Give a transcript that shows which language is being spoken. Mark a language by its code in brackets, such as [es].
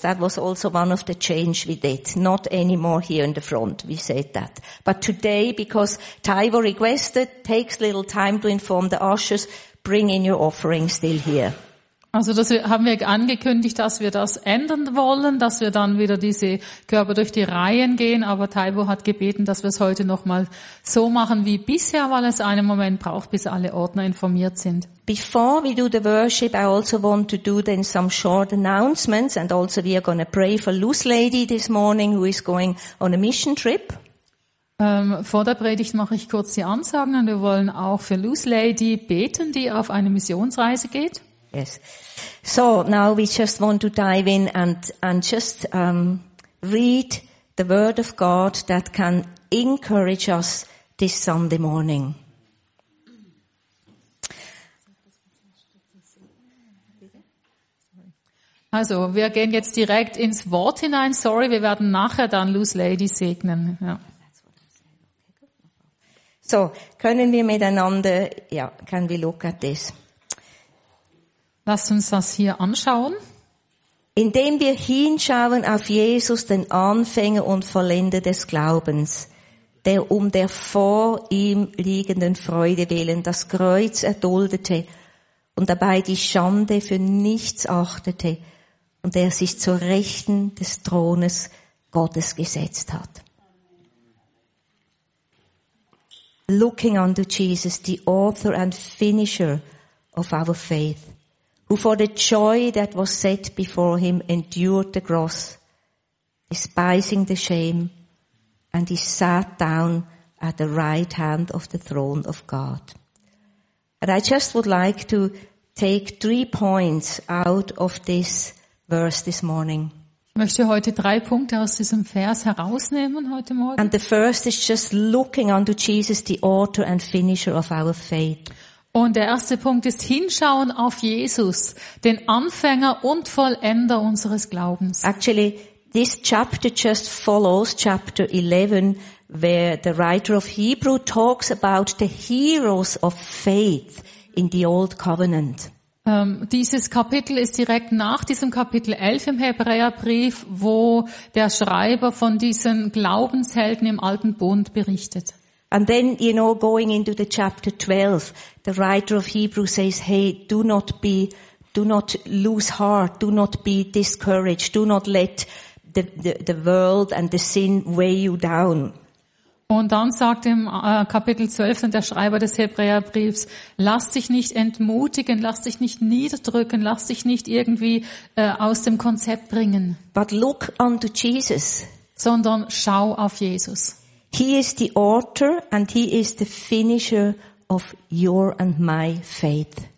[en] That was also one of the change we did. Not anymore here in the front, we said that. But today, because Taiwo requested, takes little time to inform the ushers, bring in your offering still here. [de] Also das haben wir angekündigt, dass wir das ändern wollen, dass wir dann wieder diese Körbe durch die Reihen gehen, aber Taiwo hat gebeten, dass wir es heute nochmal so machen wie bisher, weil es einen Moment braucht, bis alle Ordner informiert sind. [en] Before we do the worship, I also want to do then some short announcements and also we are going to pray for Luz Lady this morning who is going on a mission trip. [de] Vor der Predigt mache ich kurz die Ansagen und wir wollen auch für Luz Lady beten, die auf eine Missionsreise geht. [en] Yes. So now we just want to dive in and just read the word of God that can encourage us this Sunday morning. [de] Also, wir gehen jetzt direkt ins Wort hinein. Sorry, wir werden nachher dann Luz Lady segnen. Ja. So, können wir miteinander, ja, [en] can we look at this? [de] Lasst uns das hier anschauen. Indem wir hinschauen auf Jesus, den Anfänger und Vollender des Glaubens, der um der vor ihm liegenden Freude willen das Kreuz erduldete und dabei die Schande für nichts achtete und der sich zur Rechten des Thrones Gottes gesetzt hat. [en] Looking unto Jesus, the author and finisher of our faith, who for the joy that was set before him endured the cross, despising the shame, and he sat down at the right hand of the throne of God. And I just would like to take 3 points out of this verse this morning. [de] Ich möchte heute 3 Punkte aus diesem Vers herausnehmen heute Morgen. [en] And the first is just looking unto Jesus, the author and finisher of our faith. [de] Und der erste Punkt ist hinschauen auf Jesus, den Anfänger und Vollender unseres Glaubens. [en] Actually, this chapter just follows chapter 11, where the writer of Hebrew talks about the heroes of faith in the Old Covenant. [de] Dieses Kapitel ist direkt nach diesem Kapitel 11 im Hebräerbrief, wo der Schreiber von diesen Glaubenshelden im Alten Bund berichtet. [en] And then, you know, going into the chapter 12, the writer of Hebrews says, hey, do not lose heart, do not be discouraged, do not let the world and the sin weigh you down. [de] Und dann sagt im Kapitel 12 der Schreiber des Hebräerbriefs, lass dich nicht entmutigen, lass dich nicht niederdrücken, lass dich nicht irgendwie aus dem Konzept bringen. [en] But look unto Jesus. [de] Sondern schau auf Jesus. [en] He is the author and he is the finisher of your and my faith.